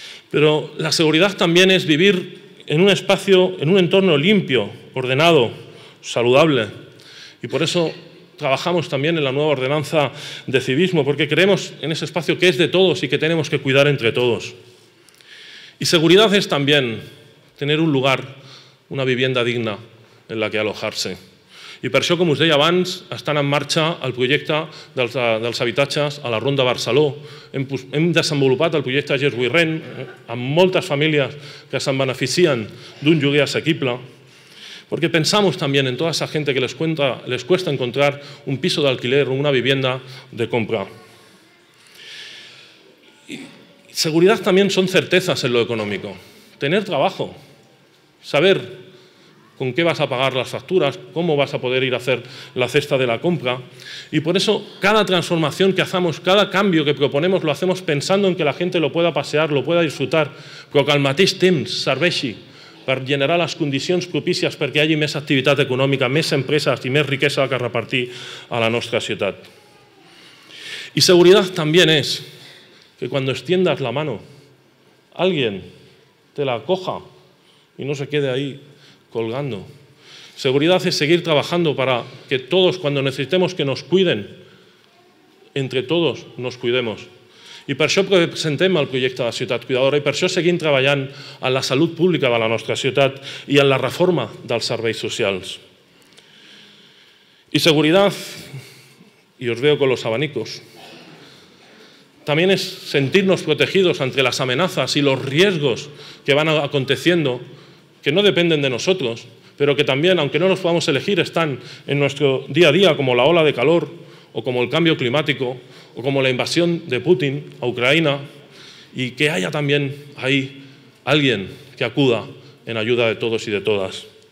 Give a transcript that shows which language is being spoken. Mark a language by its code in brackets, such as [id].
[es] Pero la seguridad también es vivir en un espacio, en un entorno limpio, ordenado, saludable. Y por eso trabajamos también en la nueva ordenanza de civismo, porque creemos en ese espacio que es de todos y que tenemos que cuidar entre todos. Y seguridad es también tener un lugar, una vivienda digna en la que alojarse. [ca] I per això, com us deia abans, estan en marxa el projecte dels habitatges a la Ronda Barceló. Hem desenvolupat el projecte GESWIREN amb moltes famílies que se'n beneficien d'un lloguer assequible. [es] Porque pensamos también en toda esa gente que les cuesta encontrar un piso de alquiler o una vivienda de compra. Y seguridad también son certezas en lo económico. Tener trabajo, saber con qué vas a pagar las facturas, cómo vas a poder ir a hacer la cesta de la compra. Y por eso cada transformación que hacemos, cada cambio que proponemos, lo hacemos pensando en que la gente lo pueda pasear, lo pueda disfrutar, [ca] però que al mateix temps serveixi per generar les condicions propícies perquè hi hagi més activitat econòmica, més empreses i més riquesa que repartir a la nostra ciutat. I seguretat també és que quan [es] estiendes la mano, algú te la coja i no se quede ahí colgando. Seguridad es seguir trabajando para que todos, cuando necesitemos que nos cuiden, entre todos nos cuidemos. [ca] I per això presentem el projecte de Ciutat Cuidadora i per això seguim treballant en la salut pública de la nostra ciutat i en la reforma dels serveis socials. [es] I seguridad, y os veo con los abanicos, también es sentirnos protegidos entre las amenazas y los riesgos que van aconteciendo, que no dependen de nosotros, pero que también, aunque no los podamos elegir, están en nuestro día a día, como la ola de calor, o como el cambio climático, o como la invasión de Putin a Ucrania, y que haya también ahí alguien que acuda en ayuda de todos y de todas.